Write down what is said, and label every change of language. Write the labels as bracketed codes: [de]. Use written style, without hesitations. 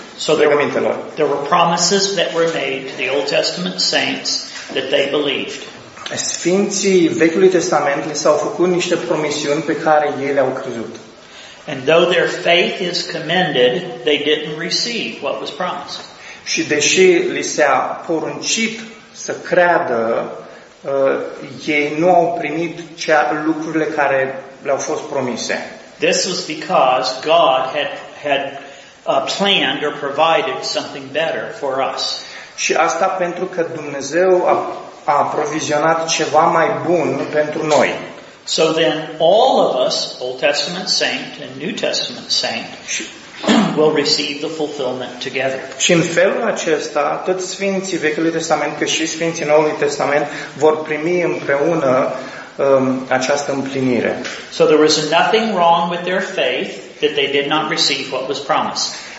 [en] So there were promises that were made to the Old Testament saints that they believed. [ro] Sfinții Vechiului Testament li s-au făcut niște promisiuni pe care ei le-au crezut. [en] And though their faith is commended, they didn't receive what was promised. [ro] Și deși li s-a poruncit să creadă, ei nu au primit lucrurile care le-au fost promise. [en] This was because God had planned or provided something better for us. [ro] Și asta pentru că Dumnezeu a provizionat ceva mai bun pentru noi. [en] So then all of us, Old Testament saint and New Testament saint, will receive the fulfillment together. [ro] Și în felul acesta, tot sfinții Vechiului Testament, cât și sfinții Noului Testament, vor primi împreună această împlinire. [en] So there was nothing wrong with their faith that they did not receive what was promised.